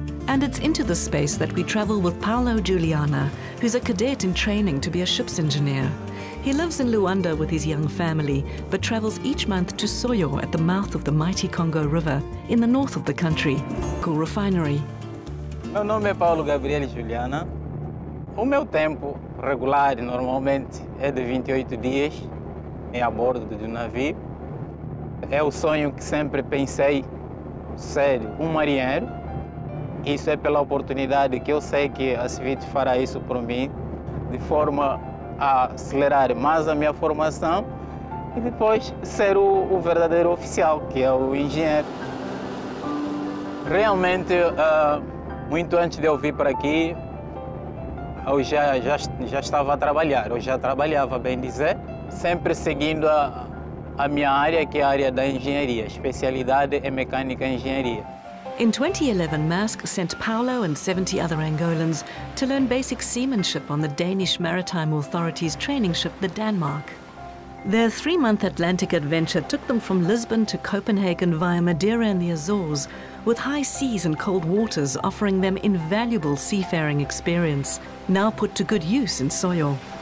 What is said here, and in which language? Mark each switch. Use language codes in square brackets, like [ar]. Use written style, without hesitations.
[en] And it's into the space that we travel with Paolo Giuliana, who's a cadet in training to be a ship's engineer. He lives in Luanda with his young family, but travels each month to Soyo at the mouth of the mighty Congo River in the north of the country, Cool Refinery. [pt] Meu nome é Paolo Gabriel Giuliana. O meu tempo regular normalmente é de 28 dias em a bordo de um navio. É o sonho que sempre pensei ser marinheiro. Isso é pela oportunidade que eu sei que a CIVIT fará isso por mim, de forma a acelerar mais a minha formação e depois ser o verdadeiro oficial, que é o engenheiro. Realmente, muito antes de eu vir para aqui, eu já estava a trabalhar, eu já trabalhava, bem dizer, sempre seguindo a minha área, que é a área da engenharia, especialidade em mecânica e engenharia. [en] In 2011, Maersk sent Paolo and 70 other Angolans to learn basic seamanship on the Danish Maritime Authority's training ship, the Danmark. Their three-month Atlantic adventure took them from Lisbon to Copenhagen via Madeira and the Azores, with high seas and cold waters offering them invaluable seafaring experience, now put to good use in Soyo.